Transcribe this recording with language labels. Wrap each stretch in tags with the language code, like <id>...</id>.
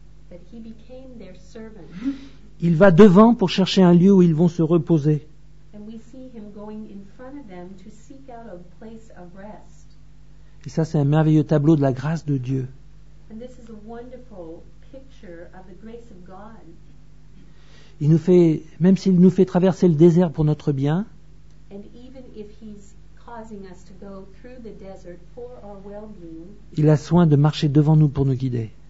<en>But he became their servant.</en> <fr>Il va devant pour chercher un lieu où ils vont se reposer.</fr> <en>And we see him going in front of them to seek out a place of rest.</en> <fr>Et ça, c'est un merveilleux tableau de la grâce de Dieu.</fr> <en>And this is a wonderful picture of the grace of God.</en> <fr>Il nous fait, même s'il nous fait traverser le désert pour notre bien,</fr> <en>and even if he's causing us to go through the desert for our well-being,</en> <fr>il a soin de marcher devant nous pour nous guider.</fr>